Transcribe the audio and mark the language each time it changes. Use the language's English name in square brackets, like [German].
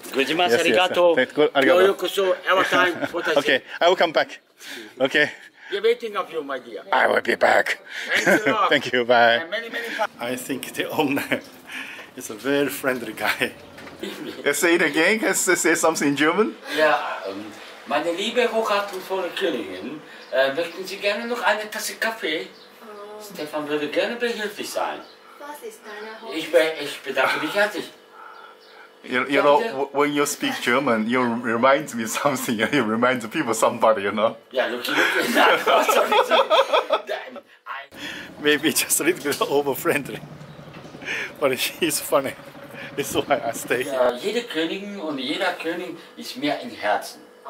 [English] Grazie, yes, arigato. Yes, yes. Arigato. [Japanese] Yo koso [English] every time. What I say. Okay. I will come back. Okay. We're waiting of you, my dear. I will be back. Thank you. Thank you. Bye. And many I think the owner is a very friendly guy. Say it again. Say something in German. Yeah. [German] Meine liebe Hochachtung vor der Königin, möchten Sie gerne noch eine Tasse Kaffee? Stefan würde gerne behilflich sein. Was ist deine Hochachtung? Ich bedanke mich herzlich. [English] You know, when you speak German, you remind me something, you remind the people somebody, you know? Yeah, look. Maybe just a little bit over-friendly, but he's funny. That's why I stay. [German] Jede Königin und jeder König ist mir im Herzen.